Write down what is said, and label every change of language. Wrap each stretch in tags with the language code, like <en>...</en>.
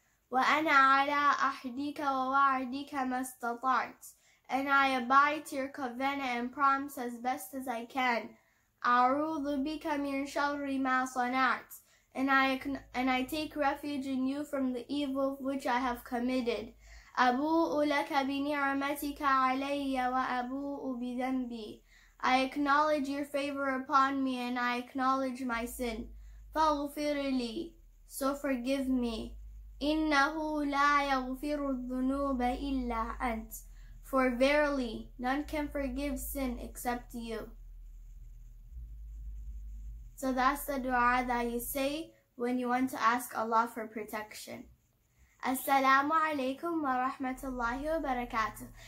<ar>Wa ana ala ahdika wa wa'dika mastata'tu.</ar> <en>And I abide to your covenant and promise as best as I can.</en> <ar>A'udhu bika min sharri ma sana'at.</ar> <en>And I take refuge in you from the evil which I have committed.</en> <ar>أبوء لك بنعمتك علي وأبوء بذنبي.</ar> <en>I acknowledge your favor upon me and I acknowledge my sin.</en> <ar>فاغفر لي.</ar> <en>So forgive me.</en> <ar>إنه لا يغفر الذنوب إلا أنت.</ar> <en>For verily, none can forgive sin except you. So that's the dua that you say when you want to ask Allah for protection.</en> <ar>Assalamu alaikum wa rahmatullahi wa barakatuh.</ar>